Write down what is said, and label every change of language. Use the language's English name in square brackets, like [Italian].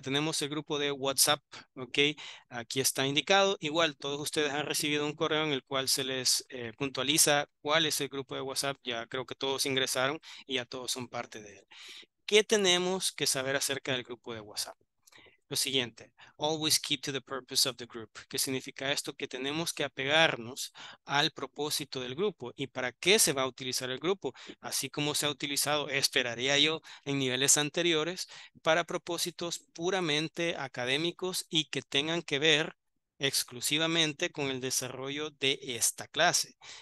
[Spanish] Tenemos el grupo de WhatsApp, ok, aquí está indicado. Igual, todos ustedes han recibido un correo en el cual se les puntualiza cuál es el grupo de WhatsApp. Ya creo que todos ingresaron y ya todos son parte de él. ¿Qué tenemos que saber acerca del grupo de WhatsApp? Lo siguiente, [English] always keep to the purpose of the group. [Spanish] ¿Qué significa esto? Que tenemos que apegarnos al propósito del grupo. ¿Y para qué se va a utilizar el grupo? Así como se ha utilizado, esperaría yo, en niveles anteriores, para propósitos puramente académicos y que tengan que ver exclusivamente con el desarrollo de esta clase.